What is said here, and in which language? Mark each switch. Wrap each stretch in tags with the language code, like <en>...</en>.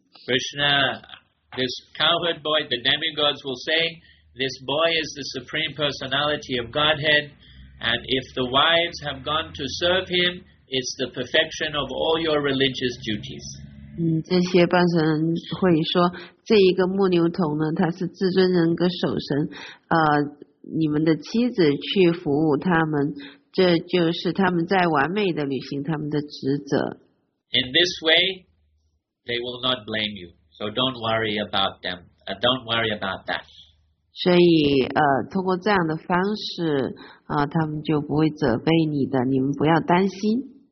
<en>Krishna this cowherd boy, the demigods will say, this boy is the Supreme Personality of Godhead, and if the wives have gone to serve him, it's the perfection of all your religious duties.</en> <zh>这些半神会说，这一个牧牛童呢，他是至尊人格守神，你们的妻子去服务他们，这就是他们在完美的履行他们的职责。</zh> <en>In this way, they will not blame you, so don't worry about them. Don't worry about that.</en> <zh>所以，通过这样的方式，他们就不会责备你的，你们不要担心。</zh>